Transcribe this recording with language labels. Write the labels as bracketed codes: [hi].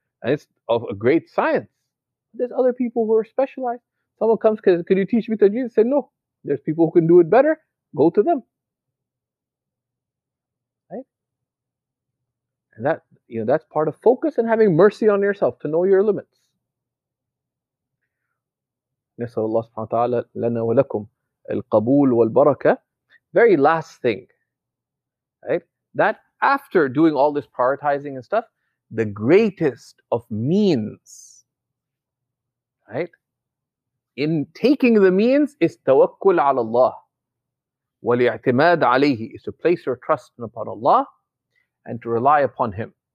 [en] And it's of a great science. There's other people who are specialized. Someone comes, could you teach me Tajweed? Say, no. There's people who can do it better. Go to them. Right? And that, you know, that's part of focus and having mercy on yourself to know your limits. [ar] نسأل الله سبحانه وتعالى لنا ولكم القبول والبركة. [en] Very last thing. Right? That after doing all this prioritizing and stuff, the greatest of means, right? In taking the means is tawakkul ala Allah. Wali'atimad alayhi is to place your trust upon Allah and to rely upon Him.